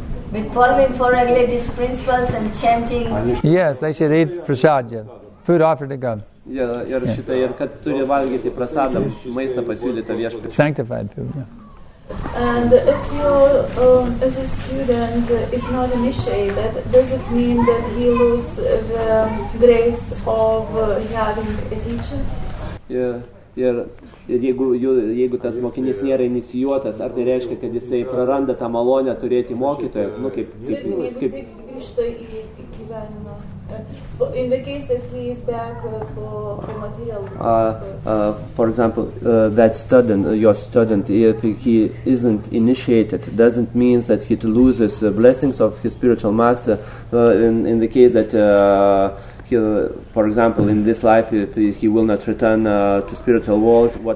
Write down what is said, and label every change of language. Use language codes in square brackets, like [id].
[en] With following four religious principles and chanting. Yes, they should eat prasad, food offered to God. [lt] Ir kad turi valgyti prasadą, maistą pasiūlytą Viešpačiui. [en] Sanctified food. Yeah. And if your as a student is not initiated, does it mean that he lose the grace of having a teacher? [lt] Ir jeigu tas mokinys nėra inicijuotas, ar tai reiškia, kad jisai praranda tą malonę turėti mokytoją? Nu, kaip jeigu jisai grįžta į gyvenimą. [en] In the case that he is back for material. For example, that student, your student, if he isn't initiated, doesn't mean that he loses the blessings of his spiritual master. In the case that for example, in this life, if he will not return to spiritual world, what?